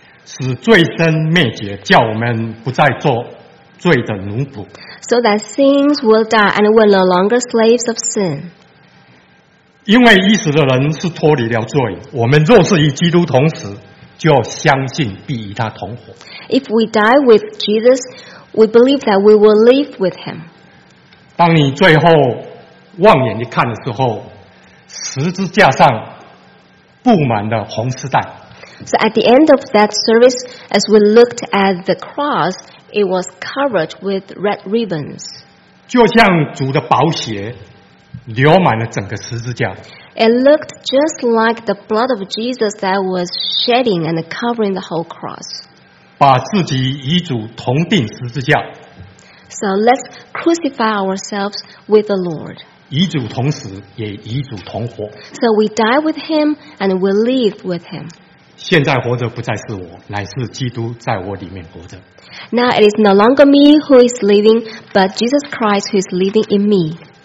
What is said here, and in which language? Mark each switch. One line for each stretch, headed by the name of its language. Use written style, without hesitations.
Chinese: 使罪身灭绝，叫我们不再做罪的奴仆。
English: So that sins will die and we're no longer slaves of sin.
Chinese: 因为已死的人是脱离了罪，我们若是与基督同死，就相信必与他同活。
English: If we die with Jesus, we believe that we will live with him.
Chinese: 当你最后望眼一看的时候，十字架上布满了红丝带。
English: So at the end of that service, as we looked at the cross, it was covered with red ribbons.
Chinese: 就像主的宝血流满了整个十字架。
English: It looked just like the blood of Jesus that was shedding and covering the whole cross.
Chinese: 把自己与主同钉十字架。
English: So let's crucify ourselves with the Lord.
Chinese: 与主同死，也与主同活。
English: So we die with Him and we live with Him.
Chinese: 现在活着不再是我，乃是基督在我里面活着。
English: Now it is no longer me who is living, but Jesus Christ who is living in me.